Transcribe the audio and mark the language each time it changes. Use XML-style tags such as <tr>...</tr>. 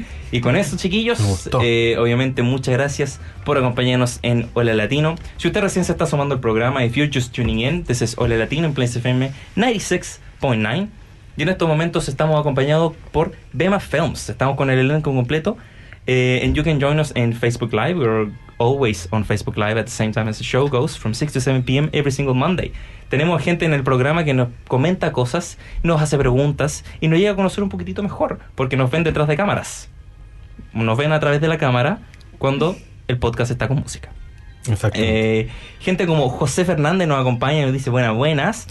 <es>Y con eso, chiquillos, obviamente muchas gracias por acompañarnos en Hola Latino. Si usted recién se está sumando al programa,</es> <en>if you're just tuning in, this is</en> <es>Hola Latino en Plains FM 96.9. Y en estos momentos estamos acompañados por Bema Films. Estamos con el elenco completo.</es> <en>And you can join us in Facebook Live. We're always on Facebook Live at the same time as the show goes, from 6 to 7 p.m. every single Monday.</en> <es>Tenemos gente en el programa que nos comenta cosas, nos hace preguntas y nos llega a conocer un poquitito mejor porque nos ven detrás de cámaras. Nos ven a través de la cámara, cuando el podcast está con música. Exacto. Gente como José Fernández nos acompaña y nos dice buenas, buenas.</es>